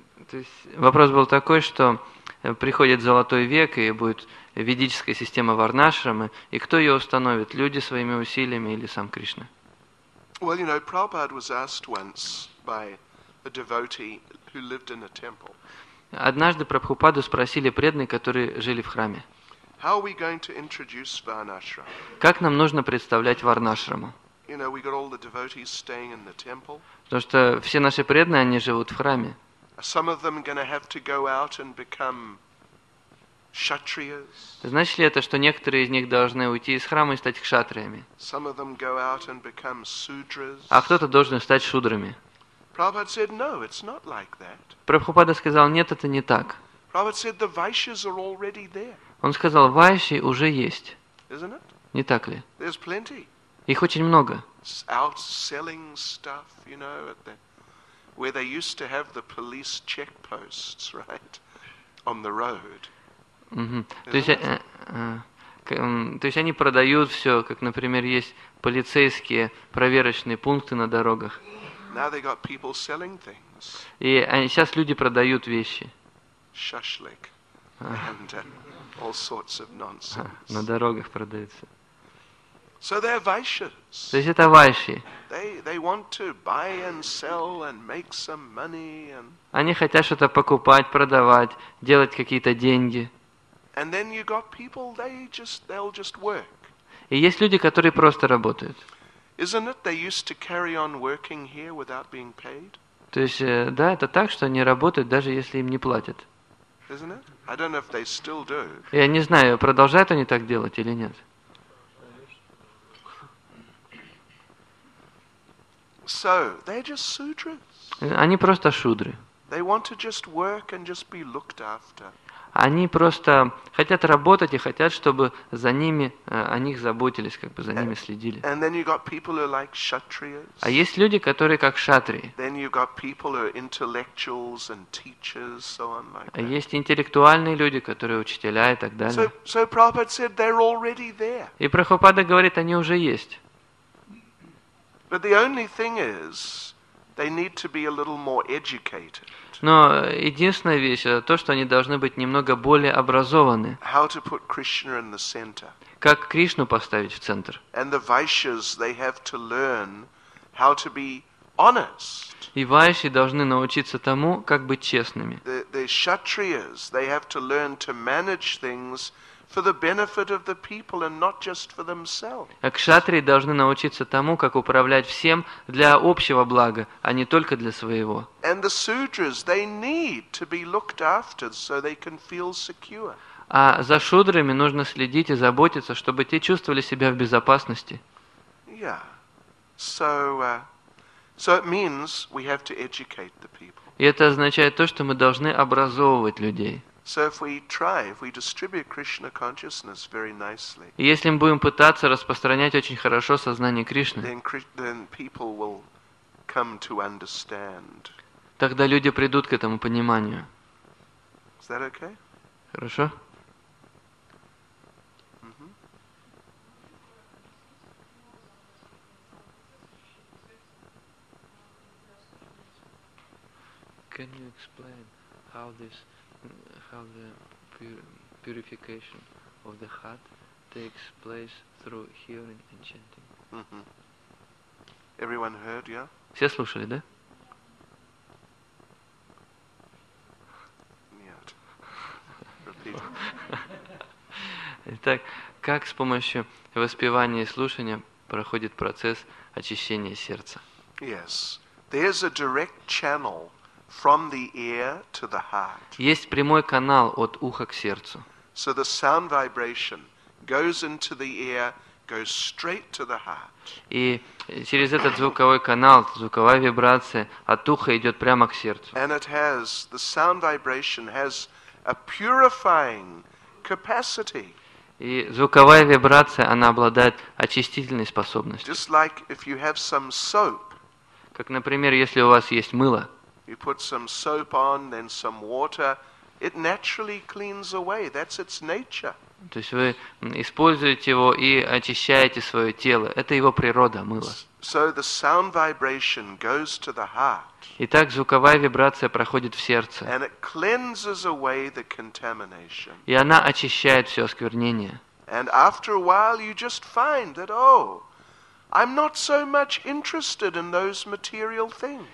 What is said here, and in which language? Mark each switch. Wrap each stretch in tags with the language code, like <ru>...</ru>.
<ru>То есть вопрос был такой, что приходит золотой век, и будет ведическая система варнашрамы, и кто ее установит, люди своими усилиями или сам Кришна?</ru> <en>Well, you know, Prabhupada was asked once by a devotee who lived in a temple.</en> <ru>Однажды Прабхупаду спросили преданные, которые жили в храме.</ru> <en>How are we going to introduce varnashram?</en> <ru>Как нам нужно представлять варнашраму?</ru> <en>You know, we got all the devotees staying in the temple.</en> <ru>Потому что все наши преданные, они живут в храме.</ru> <en>Some of them are going to have to go out and become kshatriyas.</en> <ru>Значит ли это, что некоторые из них должны уйти из храма и стать кшатриями?</ru> <en>Some of them go out and become sudras.</en> <ru>А кто-то должен стать шудрами?</ru> <en>Prabhupada said, no, it's not like that.</en> <ru>Прабхупада сказал, нет, это не так.</ru> <en>Prabhupada said, the vaishyas are already there.</en> <ru>Он сказал, вайши уже есть.</ru> <en>Isn't it?</en> <ru>Не так ли?</ru> <en>There's plenty.</en> <ru>Их очень много.</ru> <en>It's out selling stuff, you know, at the where they used to have the police checkposts, right, on the road.</en> <ru>То есть они продают все, как, например, есть полицейские проверочные пункты на дорогах.</ru> <en>Now they got people selling things.</en> <ru>И сейчас люди продают вещи.</ru> <en>Шашлык and all sorts of nonsense.</en> <ru>На дорогах продается.</ru> <en>So they're vaishyas.</en> <ru>То есть это вайши.</ru> <en>They want to buy and sell and make some money and.</en> <ru>Они хотят что-то покупать, продавать, делать какие-то деньги.</ru> <en>And then you got people, they'll just work.</en> <ru>И есть люди, которые просто работают.</ru> <en>Isn't it they used to carry on working here without being paid?</en> <ru>То есть да, это так, что они работают, даже если им не платят.</ru> <en>Isn't it? I don't know if they still do.</en> <ru>Я не знаю, продолжают они так делать или нет.</ru> <en>So, they're just sudras.</en> <ru>Они просто шудры.</ru> <en>They want to just work and just be looked after.</en> <ru>Они просто хотят работать и хотят, чтобы за ними, о них заботились, как бы за ними следили.</ru> <en>And then you got people who are like kshatriyas.</en> <ru>А есть люди, которые как кшатрии.</ru> <en>Then you got people who are intellectuals and teachers, so on like that.</en> <ru>Есть интеллектуальные люди, которые учителя и так далее.</ru> <en>So Prabhupada said they're already there.</en> <ru>И Прабхупада говорит, они уже есть.</ru> <en>But the only thing is, they need to be a little more educated.</en> <ru>Но единственная вещь это то, что они должны быть немного более образованы.</ru> <en>How to put Krishna in the center?</en> <ru>Как Кришну поставить в центр?</ru> <en>And the vaishyas they have to learn how to be honest.</en> <ru>И вайши должны научиться тому, как быть честными.</ru> <en>The kshatriyas they have to learn to manage things for the benefit of the people and not just for themselves.</en> <ru>Кшатрии должны научиться тому, как управлять всем для общего блага, а не только для своего.</ru> <en>And the sudras, they need to be looked after so they can feel secure.</en> <ru>А за шудрами нужно следить и заботиться, чтобы те чувствовали себя в безопасности.</ru> <en>Yeah. So it means we have to educate the people.</en> <ru>И это означает то, что мы должны образовывать людей.</ru> <en>So if we try, if we distribute Krishna consciousness very nicely.</en> <ru>И если мы будем пытаться распространять очень хорошо сознание Кришны,</ru> <en>then people will come to understand.</en> <ru>Тогда люди придут к этому пониманию.</ru> <en>Is that okay?</en> <ru>Хорошо?</ru> <en>Can you explain how the purification of the heart takes place through hearing and chanting? Mm-hmm. Everyone heard, yeah?</en> <ru>Все слушали, да? Нет.</ru> <en>Repeat.</en> <ru>Итак, как с помощью воспевания и слушания проходит процесс очищения сердца?</ru> <en>Yes. There's a direct channel from the ear to the heart.</en> <ru>Есть прямой канал от уха к сердцу.</ru> <en>So the sound vibration goes into the ear, goes straight to the heart.</en> <ru>И через этот звуковой канал, звуковая вибрация от уха идет прямо к сердцу.</ru> <en>And it has, the sound vibration has a purifying capacity.</en> <ru>И звуковая вибрация, она обладает очистительной способностью.</ru> <en>Just like if you have some soap.</en> <ru>Как, например, если у вас есть мыло.</ru> <en>You put some soap on, then some water. It naturally cleans away. That's its nature.</en> <ru>То есть вы используете его и очищаете свое тело. Это его природа, мыло.</ru> <en>So the sound vibration goes to the heart.</en> <ru>Итак, звуковая вибрация проходит в сердце.</ru> <en>And it cleanses away the contamination.</en> <ru>И она очищает все осквернение.</ru> <en>And after a while, you just find that, oh, I'm not so much interested in those material things.</en>